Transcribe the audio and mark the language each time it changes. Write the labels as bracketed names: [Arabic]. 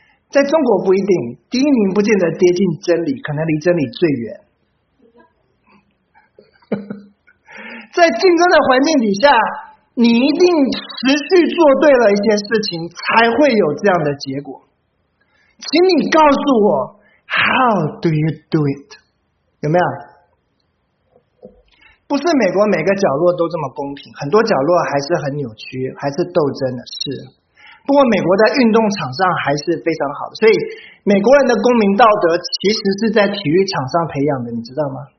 [Chinese] 在中国不一定，第一名不见得接近真理，可能离真理最远。在竞争的环境底下，你一定持续做对了一件事情，才会有这样的结果。请你告诉我 ， [English] How do you do it？ [Chinese] 有没有？不是美国每个角落都这么公平，很多角落还是很扭曲，还是斗争的事。不过美国在运动场上还是非常好的，所以美国人的公民道德其实是在体育场上培养的，你知道吗？